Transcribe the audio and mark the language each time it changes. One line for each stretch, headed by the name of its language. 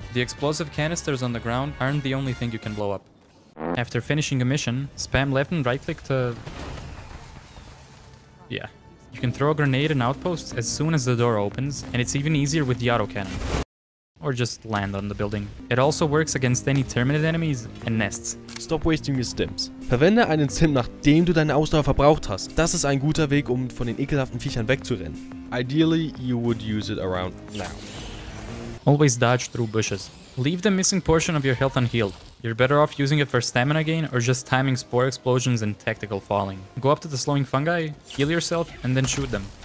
English: The explosive canisters on the ground aren't the only thing you can blow up. After finishing a mission, spam left and right click to... Yeah. You can throw a grenade in outposts as soon as the door opens, and it's even easier with the autocannon. Or just land on the building. It also works against any terminate enemies and nests. Stop wasting your stims.
German: Verwende einen Stim, nachdem du deine Ausdauer verbraucht hast. Das ist ein guter Weg, um von den ekelhaften Viechern wegzurennen.
English: Ideally, you would use it around now. Always dodge through bushes. Leave the missing portion of your health unhealed. You're better off using it for stamina gain or just timing spore explosions and tactical falling. Go up to the slowing fungi, heal yourself, and then shoot them.